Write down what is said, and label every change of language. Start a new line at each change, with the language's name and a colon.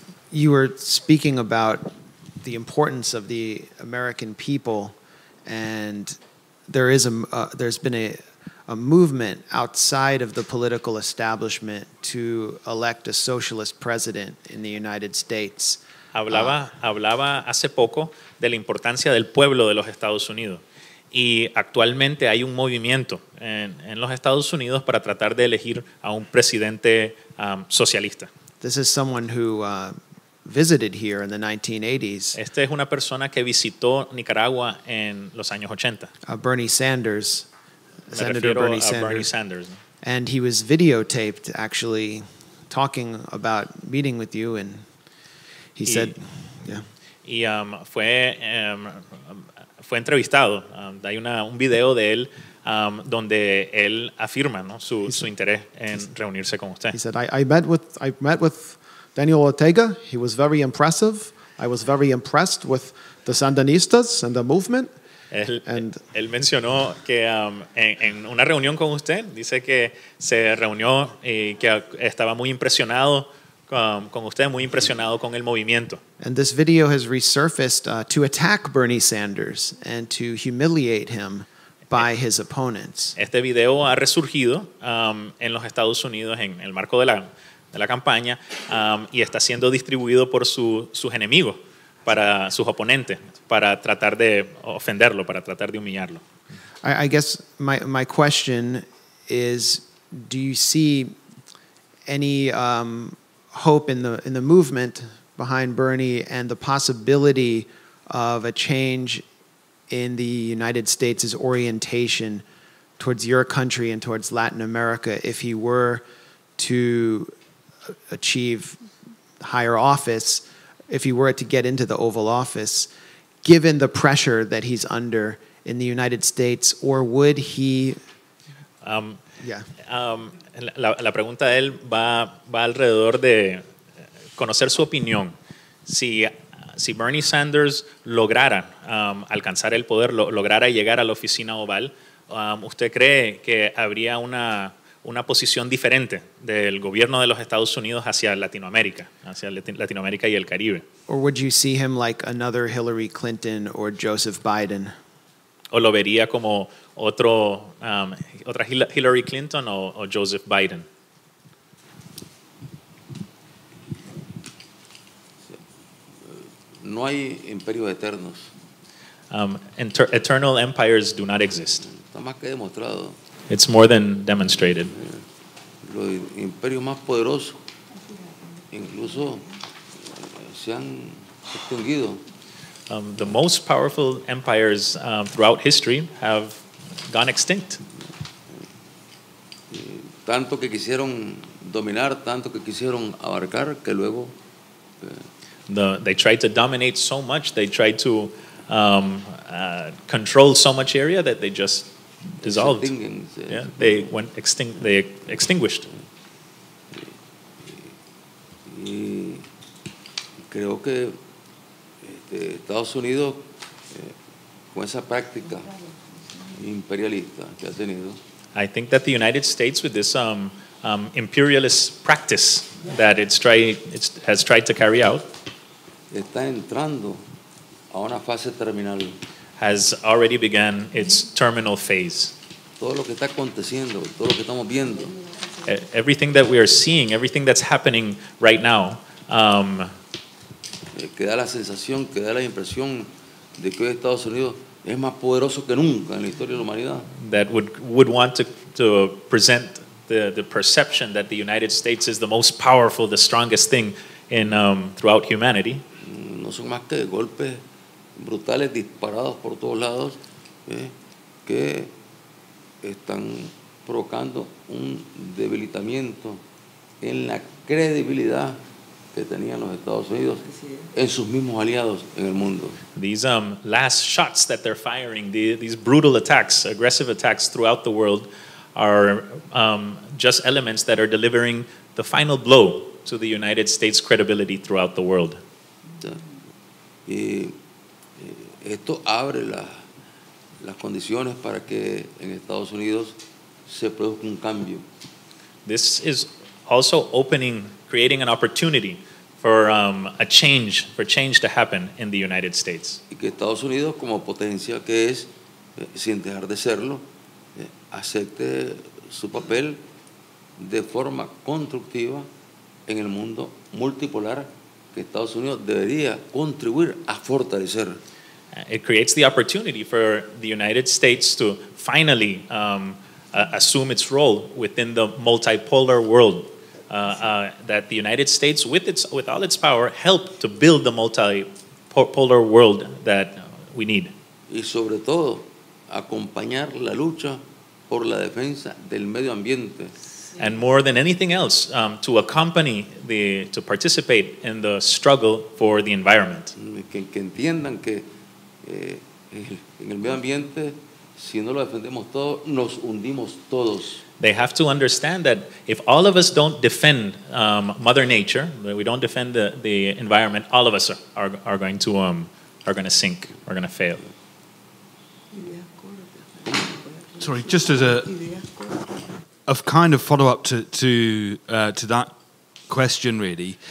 English: You were speaking about the importance of the American people, and there is there's been a movement outside of the political establishment to elect a socialist president in the United States.
Spanish: Hablaba hace poco de la importancia del pueblo de los Estados Unidos, y actualmente hay un movimiento en los Estados Unidos para tratar de elegir a un presidente socialista.
English: This is someone who visited here in the 1980s.
Spanish: Este es una persona que visitó Nicaragua en los años 80.
English: Bernie Sanders. Me Senator Bernie Sanders. Bernie Sanders. And he was videotaped actually talking about meeting with you, and he said, yeah.
Spanish: Y fue fue entrevistado. Hay un video de él donde él afirma, ¿no?, su interés en reunirse con usted.
English: He said, I met with Daniel Ortega. He was very impressive. I was very impressed with the Sandinistas and the movement.
Spanish: Él mencionó que en una reunión con usted, dice que se reunió y que estaba muy impresionado con usted, muy impresionado con el movimiento.
English: And this video has resurfaced to attack Bernie Sanders and to humiliate him by his opponents.
Spanish: Este video ha resurgido en los Estados Unidos en el marco de la campaña y está siendo distribuido por sus enemigos, para sus oponentes, para tratar de ofenderlo, para tratar de humillarlo.
English: I guess my question is, do you see any hope in the movement behind Bernie and the possibility of a change in the United States' orientation towards your country and towards Latin America if he were to achieve higher office, if he were to get into the Oval Office, given the pressure that he's under in the United States, or would he...
Spanish: La pregunta de él va alrededor de conocer su opinión. Si Bernie Sanders lograra alcanzar el poder, lograra llegar a la oficina oval, ¿usted cree que habría una posición diferente del gobierno de los Estados Unidos hacia Latinoamérica y el Caribe?
English: Or would you see him like another Hillary Clinton or Joseph Biden?
Spanish: ¿O lo vería como otra Hillary Clinton o Joseph Biden? No hay imperios eternos.
English: Eternal empires do not exist.
Spanish: Está más que demostrado.
English: It's more than demonstrated.
Spanish: Los imperios más poderosos incluso se han extinguido.
English: The most powerful empires throughout history have gone extinct.
Spanish: Tanto que quisieron dominar, tanto que quisieron abarcar, que luego...
English: They tried to dominate so much, they tried to control so much area that they just dissolved. They went extinct. They extinguished.
Spanish: Y creo que Estados Unidos, con esa práctica imperialista que ha tenido,
English: I think that the United States, with this imperialist practice that it has tried to carry out,
Spanish: está entrando a una fase terminal.
English: Has already begun its terminal phase.
Spanish: Todo lo que está aconteciendo, todo lo que estamos viendo.
English: Everything that we are seeing, everything that's happening right now.
Spanish: Que da la sensación, que da la impresión de que Estados Unidos es más poderoso que nunca en la historia de la humanidad.
English: That would want to present the perception that the United States is the most powerful, the strongest thing in throughout humanity.
Spanish: No son más que golpes brutales disparados por todos lados que están provocando un debilitamiento en la credibilidad que tenían los Estados Unidos en sus mismos aliados en el mundo.
English: These last shots that they're firing, these brutal attacks, aggressive attacks throughout the world, are just elements that are delivering the final blow to the United States' credibility throughout the world.
Spanish: Y esto abre las condiciones para que en Estados Unidos se produzca un cambio.
English: This is also creating an opportunity for change to happen in the United States.
Spanish: Y que Estados Unidos, como potencia que es, sin dejar de serlo, acepte su papel de forma constructiva en el mundo multipolar que Estados Unidos debería contribuir a fortalecer.
English: It creates the opportunity for the United States to finally assume its role within the multipolar world, that the United States, with all its power, help to build the multipolar world that we need.
Spanish: Y sobre todo, acompañar la lucha por la defensa del medio ambiente.
English: And more than anything else, to participate in the struggle for the environment.
Spanish: Que entiendan que en el medio ambiente, si no lo defendemos todo, nos hundimos todos.
English: They have to understand that if all of us don't defend Mother Nature, that we don't defend the environment, all of us are going to sink, are going to fail. Sorry, just as a kind of follow up to that question, really.